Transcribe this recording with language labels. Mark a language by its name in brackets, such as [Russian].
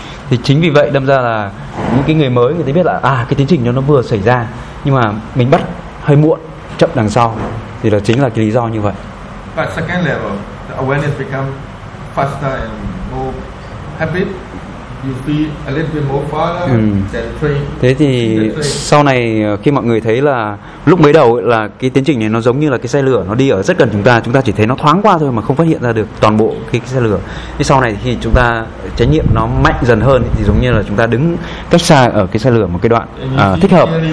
[Vietnamese] Thì chính vì vậy đâm ra là những cái người mới, người ta biết là cái tiến trình nó vừa xảy ra nhưng mà mình bắt hơi muộn, chậm đằng sau, thì là chính là cái lý do như vậy. [English] But second level, the awareness become faster and more habit. You feel a little bit more farther than train. [Vietnamese] Thế thì sau này khi mọi người thấy là lúc mới đầu là cái tiến trình này nó giống như là cái xe lửa, nó đi ở rất gần chúng ta chỉ thấy nó thoáng qua thôi mà không phát hiện ra được toàn bộ cái xe lửa. Thế sau này khi chúng ta chánh niệm nó mạnh dần hơn thì giống như là chúng ta đứng cách xa ở cái xe lửa một cái đoạn thích hợp.